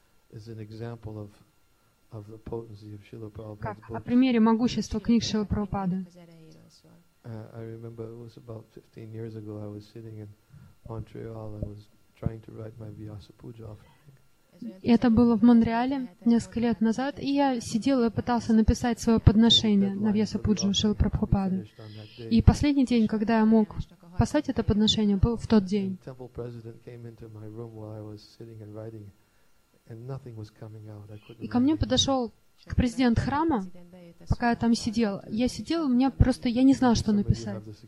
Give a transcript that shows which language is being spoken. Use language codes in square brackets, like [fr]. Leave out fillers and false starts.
[en] Is an example of the potency of Śrīla Prabhupāda. [ru] Как о примере могущества книг Шрилы Прабхупады. [en] I remember it was about 15 years ago I was sitting in Montreal. I was trying to write my Vyasa Puja offering. [ru] И это было в Монреале несколько лет назад, и я сидел и пытался написать свое подношение на Вьяса Пуджу Шрилы Прабхупады. И последний день, когда я мог послать это подношение, был в тот день. [en] The temple president came into my room while I was sitting and writing. And nothing was coming out. [ru] И ко мне подошел к президент храма, пока я там сидел. Я сидел, я не знал, что написать.